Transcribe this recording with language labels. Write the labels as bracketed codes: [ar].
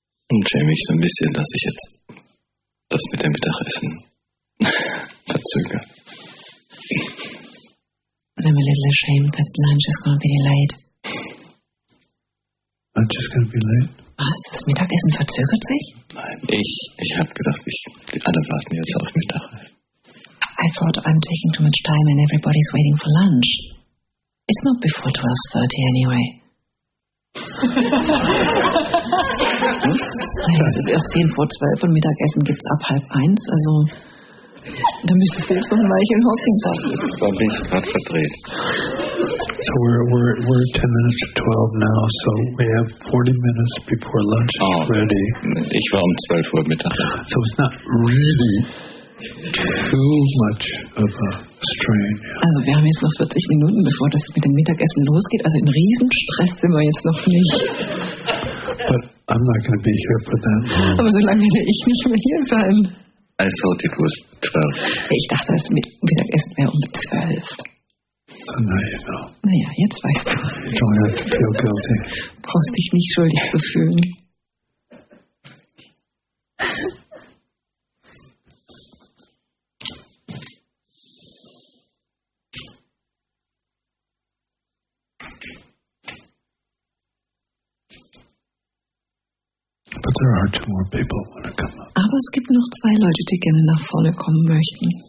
[de] Und schäme mich so ein bisschen, dass ich jetzt das mit dem Mittagessen verzögere. [en] And I'm a little ashamed that lunch is going to be delayed. Lunch is going to be late? [de] Was? Das Mittagessen verzögert sich? Nein, ich habe gedacht, die alle warten jetzt auf Mittagessen. [en] I thought I'm taking too much time and everybody's waiting for lunch. It's not before 12:30 anyway. [de] Nein, es ist erst 10:50 und Mittagessen gibt es ab 12:30, also da müsste ich jetzt noch ein Weilchen hocken. Da bin ich gerade verdreht. [en] So we're 10 minutes to 12 now, so we have 40 minutes before lunch is ready. [de] Ich war 12 Uhr Mittag. [en] So it's not really too much of a strain. [de] Also wir haben jetzt noch 40 Minuten, bevor das mit dem Mittagessen losgeht. Also in Riesenstress sind wir jetzt noch nicht. [en] But I'm not going to be here for that. [de] Aber solange werde ich nicht mehr hier sein. [en] I thought it was 12. [de] Ich dachte, das Mittagessen wäre 12. [en] So now you know. [de] Naja, jetzt weißt du. [en] You don't have to feel guilty. [de] Brauchst dich nicht schuldig zu fühlen. [en] But there are two more people who want to come up. [de] Aber es gibt noch zwei Leute, die gerne nach vorne kommen möchten.